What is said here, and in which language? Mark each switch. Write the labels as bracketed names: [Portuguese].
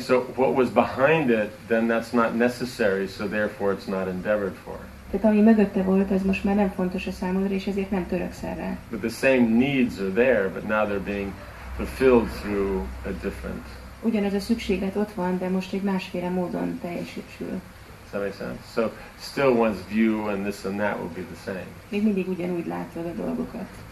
[English] So what was behind it, then that's not necessary, so therefore it's not endeavored for. [Hungarian] Tehát ami mögötte volt, az most már nem fontos a számodra, és ezért nem töröksz erre. [English] But the same needs are there, but now they're being fulfilled through a different... [Hungarian] Ugyanaz a szükséglet ott van, de most egy másféle módon teljesül. [English] Does that make sense? So still one's view and this and that will be the same. [Hungarian] Még mindig ugyanúgy látod a dolgokat.